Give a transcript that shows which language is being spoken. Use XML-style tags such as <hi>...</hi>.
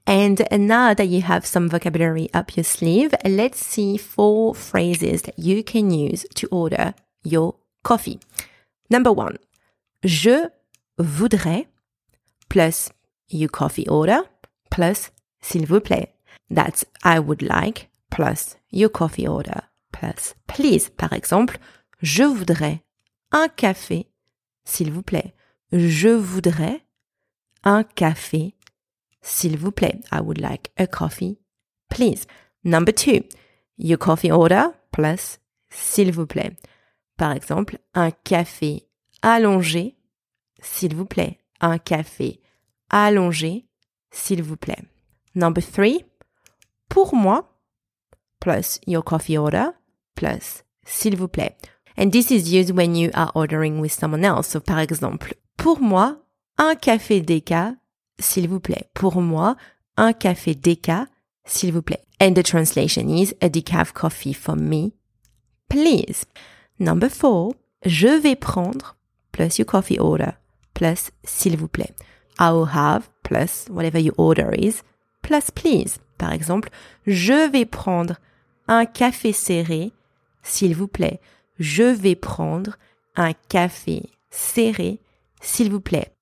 <en>And now that you have some vocabulary up your sleeve, let's see four phrases that you can use to order your coffee. Number one,</en> <fr>je voudrais</fr> <en>plus your coffee order plus</en> <fr>s'il vous plaît.</fr> <en>That's I would like plus your coffee order plus please.</en> <fr>Par exemple, je voudrais un café s'il vous plaît. Je voudrais un café s'il vous plaît.</fr> <en>I would like a coffee please. Number two, your coffee order plus</en> <fr>s'il vous plaît. Par exemple, un café allongé, s'il vous plaît. Un café allongé, s'il vous plaît.</fr> <en>Number three,</en> <fr>pour moi,</fr> <en>plus your coffee order, plus</en> <fr>s'il vous plaît.</fr> <en>And this is used when you are ordering with someone else.</en> <fr>So, par exemple, pour moi, un café déca, s'il vous plaît. Pour moi, un café déca, s'il vous plaît.</fr> <en>And the translation is, a decaf coffee for me, please. Number four,</en> <fr>je vais prendre</fr> <en>plus your coffee order plus</en> <fr>s'il vous plaît.</fr> <en>I will have plus whatever your order is plus please.</en> <fr>Par exemple, je vais prendre un café serré s'il vous plaît. Je vais prendre un café serré s'il vous plaît.</fr>